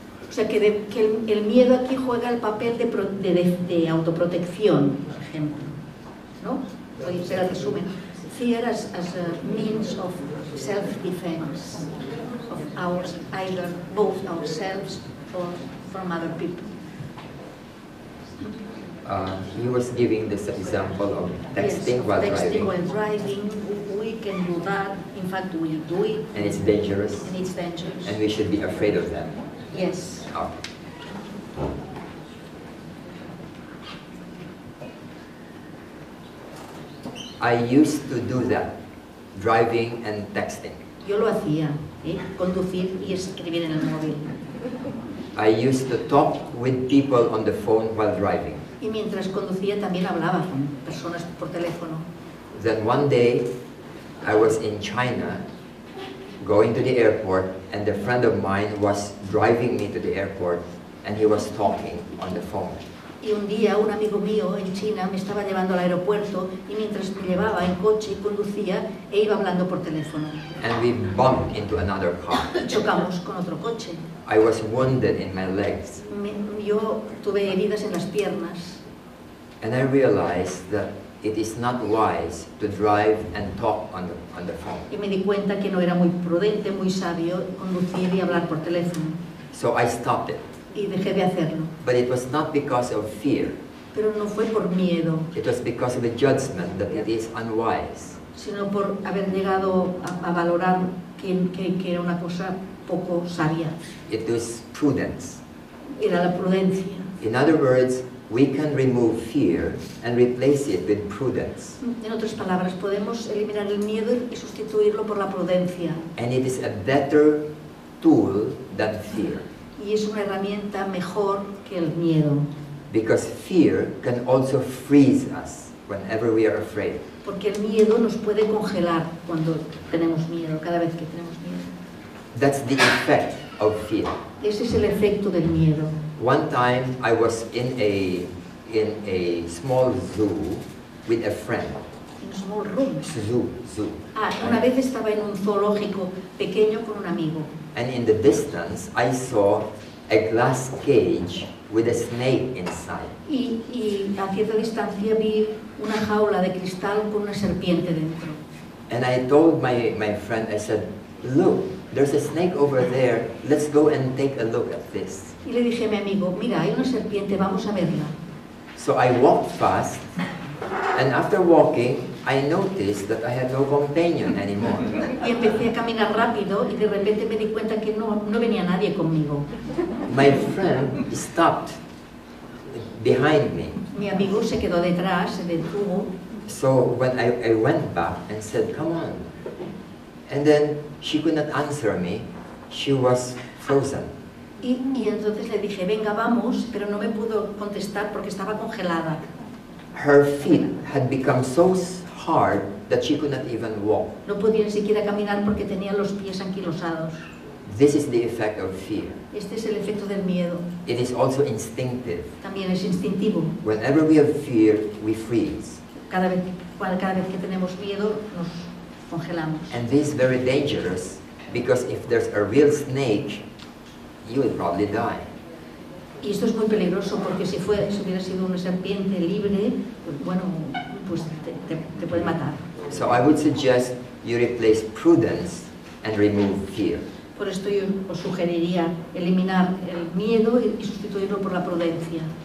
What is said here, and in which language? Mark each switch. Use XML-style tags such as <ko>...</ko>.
<es>O sea, que el miedo aquí juega el papel de autoprotección, por ejemplo. ¿No? Voy a hacer el resumen.</es> <en>Fear as a means of self-defense, of our, either both ourselves or from other people. He was giving this example of texting, yes, while texting Texting while driving, we can do that. In fact, we do it. And it's dangerous. And it's dangerous. And we should be afraid of that. Yes. Oh. I used to do that, driving and texting.</en> <es>Yo lo hacía, conducir y escribir en el móvil.</es> <en>I used to talk with people on the phone while driving.</en> <es>Y mientras conducía también hablaba con personas por teléfono.</es> <en>Then one day, I was in China, going to the airport, and a friend of mine was driving me to the airport, and he was talking on the phone.</en> <es>Y un día un amigo mío en China me estaba llevando al aeropuerto y mientras me llevaba en coche y conducía e iba hablando por teléfono.</es> <en>And we bumped into another car.</en> <es>Chocamos con otro coche.</es> <en>I was wounded in my legs.</en> <es>Yo tuve heridas en las piernas.</es> <en>And I realized that it is not wise to drive and talk on the phone.</en> <es>Y me di cuenta que no era muy prudente, muy sabio conducir y hablar por teléfono.</es> <en>So I stopped it.</en> <es>Y dejé de hacerlo.</es> <en>But it was not because of fear.</en> <es>Pero no fue por miedo.</es> <en>It was because of the judgment that it is unwise.</en> <es>Sino por haber llegado a valorar que era una cosa poco sabia.</es> <en>It was prudence.</en> <es>Era la prudencia.</es> <en>In other words, we can remove fear and replace it with prudence.</en> <es>En otras palabras, podemos eliminar el miedo y sustituirlo por la prudencia.</es> <en>And it is a better tool than fear.</en> <es>Y es una herramienta mejor que el miedo.</es> <en>Because fear can also freeze us whenever we are afraid.</en> <es>Porque el miedo nos puede congelar cuando tenemos miedo, cada vez que tenemos miedo.</es> <en>That's the effect of fear.</en> <es>Ese es el efecto del miedo.</es> <en>One time I was in a small zoo with a friend. In a small room. Zoo.</en> <es>Ah, una vez estaba en un zoológico pequeño con un amigo.</es> <en>And in the distance, I saw a glass cage with a snake inside.</en> <es>Y a cierta distancia vi una jaula de cristal con una serpiente dentro.</es> <en>And I told my friend, I said, look, there's a snake over there. Let's go and take a look at this.</en> <es>Y le dije a mi amigo, mira, hay una serpiente, vamos a verla.</es> <en>So I walked fast, and after walking, I noticed that I had no companion anymore.</en> <es>Y empecé a caminar rápido y de repente me di cuenta que no venía nadie conmigo.</es> <en>My friend stopped behind me.</en> <es>Mi amigo se quedó detrás, se detuvo.</es> <en>So when I went back and said, come on. And then she could not answer me. She was frozen.</en> <es>Y entonces le dije, venga, vamos, pero no me pudo contestar porque estaba congelada.</es> <en>Her feet had become so hard that she could not even walk.</en> <es>No podía ni siquiera caminar porque tenía los pies anquilosados.</es> <en>This is the effect of fear.</en> <es>Este es el efecto del miedo.</es> <en>It is also instinctive.</en> <es>También es instintivo.</es> <en>Whenever we have fear, we freeze.</en> <es>Cada vez que tenemos miedo, nos congelamos.</es> <en>And this is very dangerous because if there's a real snake, you will probably die.</en> <es>Y esto es muy peligroso porque si hubiera sido una serpiente libre, pues bueno, pues te puede matar.</es> <en>So I would suggest you replace prudence and remove fear.</en> <es>Por esto yo os sugeriría eliminar el miedo y sustituirlo por la prudencia.</es>